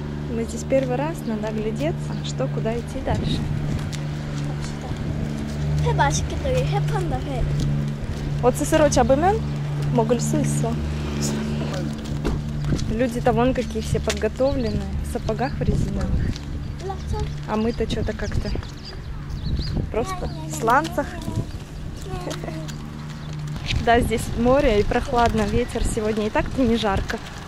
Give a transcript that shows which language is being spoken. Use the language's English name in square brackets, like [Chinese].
[Russian] Мы здесь первый раз, надо оглядеться, что куда идти дальше. [Korean] 갑시다. 회 맛있겠다. 여기 회 판다, 회. 옷 스스로 잡으면 먹을 수 있어. [Russian] Люди-то вон какие все подготовлены, в сапогах в резиновых. А мы-то что-то как-то просто в сланцах. Да, здесь море и прохладно, ветер сегодня и так-то не жарко.